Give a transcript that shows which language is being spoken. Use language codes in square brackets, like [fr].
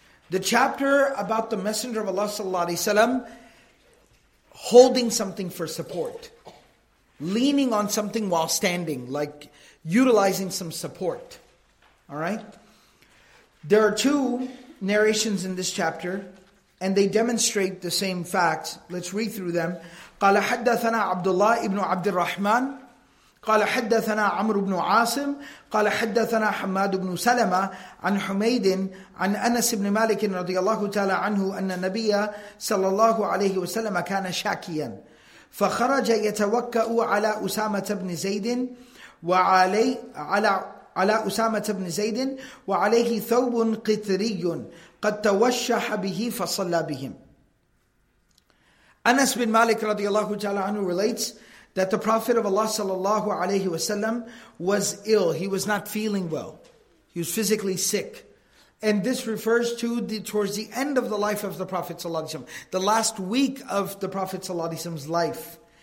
[en] The chapter about the Messenger of Allah sallallahu alayhi wa sallam holding something for support, leaning on something while standing, like utilizing some support. All right? There are two narrations in this chapter, and they demonstrate the same facts. Let's read through them. [ar] قال حدثنا عبد الله ابن عبد الرحمن قال حدثنا عمرو بن عاصم قال حدثنا حماد بن سلمة عن حميد عن أنس بن مالك رضي الله تعالى عنه أن النبي صلى الله عليه وسلم كان شاكيا فخرج يتوكأ على أسامة بن زيد وعلي على أسامة بن زيد وعليه ثوب قطري قد توشح به فصلى بهم. [en] Anas bin Malik radiallahu ta'ala anhu relates that the Prophet of Allah sallallahu alayhi wa sallam was ill. He was not feeling well. He was physically sick. And this refers to towards the end of the life of the Prophet sallallahu alayhi wa sallam, the last week of the Prophet sallallahu alayhi wa sallam's life.